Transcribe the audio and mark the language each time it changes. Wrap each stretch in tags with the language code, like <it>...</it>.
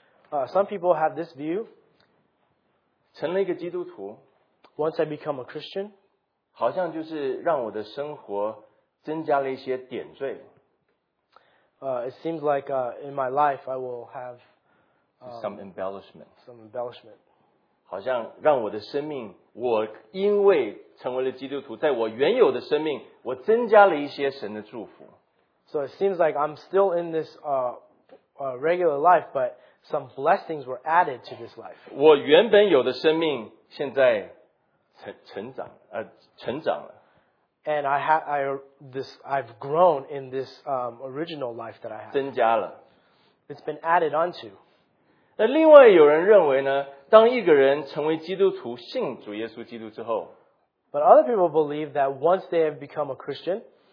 <zh>有些人有这样子的观念。</zh> <en>Some people have this view.</en> <zh>成了一个基督徒。</zh> <en>Once I become a Christian.</en> <zh>好像就是让我的生活增加了一些点缀。</zh> <en>It seems like in my life I will have some embellishment. Some embellishment.</en> <zh>好像让我的生命，我因为成为了基督徒，在我原有的生命，我增加了一些神的祝福。</zh> <en>So it seems like I'm still in this regular life, but some blessings were added to this life.</en> <zh>我原本有的生命现在成长了。</zh> <en>And I've grown in this original life that I have.</en> <zh>增加了。</zh> <en>It's been added onto.</en> <zh>那另外有人认为呢？当一个人成为基督徒，信主耶稣基督之后，</zh> <en>But other people believe that once they have become a Christian,</en>